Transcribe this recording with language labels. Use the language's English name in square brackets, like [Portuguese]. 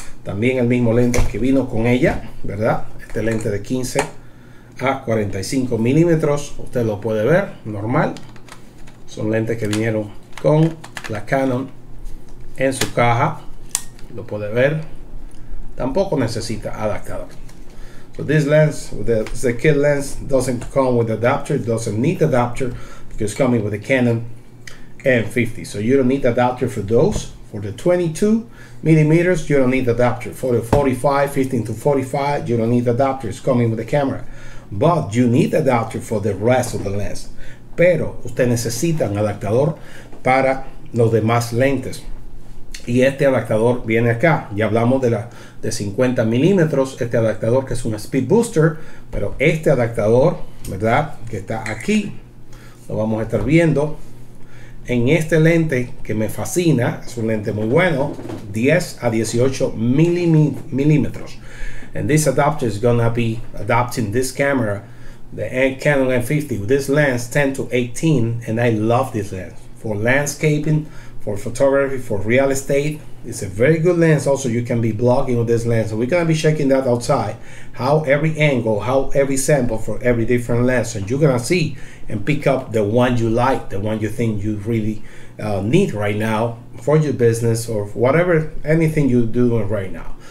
[Spanish] También el mismo lente que vino con ella, ¿verdad? Este lente de 15 a 45 milímetros, usted lo puede ver, normal. Son lentes que vinieron con la Canon en su caja, lo puede ver. Tampoco necesita adaptador. [English] So this lens, the kit lens, doesn't come with adapter. It doesn't need adapter because it's coming with a Canon M50. So you don't need adapter for those. For the 22 millimeters, you don't need adapter. For the 45, 15 to 45, you don't need adapter. It's coming with the camera. But you need adapter for the rest of the lens. [Spanish] Pero usted necesita un adaptador para los demás lentes. Y este adaptador viene acá. Ya hablamos de 50 milímetros, este adaptador que es un speed booster, pero este adaptador, ¿verdad?, que está aquí, lo vamos a estar viendo. en este lente que me fascina, es un lente muy bueno, 10 a 18 milímetros. [English] And this adapter is gonna be adapting this camera, the Canon M50, with this lens 10 to 18, and I love this lens for landscaping, for photography, for real estate. It's a very good lens. Also, you can be blogging with this lens. So we're gonna be checking that outside, how every angle, how every sample for every different lens, and you're gonna see and pick up the one you like, the one you think you really need right now for your business or whatever, anything you're doing right now.